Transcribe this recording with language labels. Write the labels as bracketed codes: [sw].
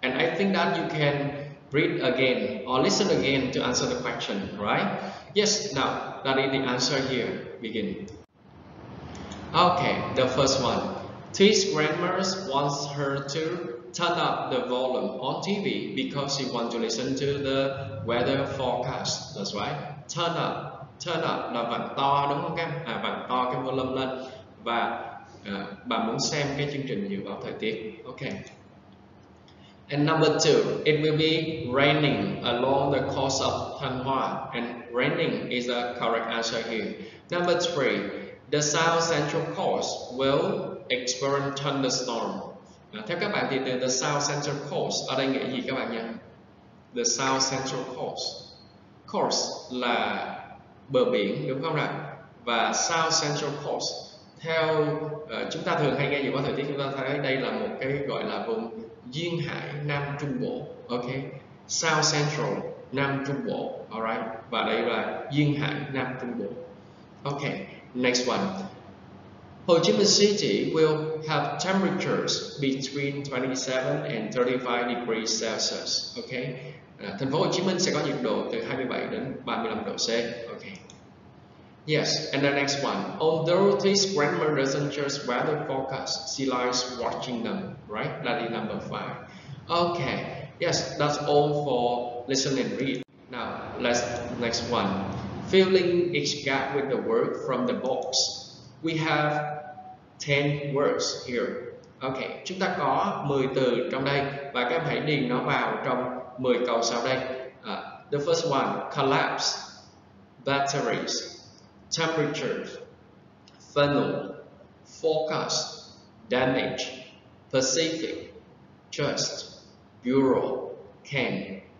[en] And I think that you can read again or listen again to answer the question, right? Yes, now that is the answer here. Begin. Okay, the first one. T's grandma wants her to turn up the volume on TV because she wants to listen to the weather forecast. That's right. [vi] Turn up là bật to, đúng không các em? À, bật to cái volume lên và bà muốn xem cái chương trình dự báo thời tiết. [en] Okay. And number two, it will be raining along the coast of Thanh Hoa. And raining is the correct answer here. Number three, the south central coast will experience thunderstorm. [vi] Theo các bạn thì từ the south central coast ở đây nghĩa gì các bạn nhỉ? [en] The south central coast. [vi] Coast là bờ biển, đúng không nào? Và south central coast, theo chúng ta thường hay nghe dự báo thời tiết, chúng ta thấy đây là một cái gọi là vùng duyên hải Nam Trung Bộ. Ok, south central Nam Trung Bộ, alright, và đây là duyên hải Nam Trung Bộ. [en] Ok, next one. Ho Chi Minh City will have temperatures between 27 and 35 degrees Celsius. [vi] Ok, thành phố Hồ Chí Minh sẽ có nhiệt độ từ 27 đến 35 độ C. [en] Ok. Yes, and the next one. Although this grandma doesn't just weather forecast, she likes watching them, right? That is number five. Okay, yes, that's all for listen and read. Now, let's next one. Filling each gap with the word from the box. We have 10 words here. [vi] Okay, chúng ta có 10 từ trong đây và các em hãy điền nó vào trong 10 câu sau đây. [en] The first one, collapse, batteries, temperatures, funnel, forecast, damage, Pacific, just, bureau, can.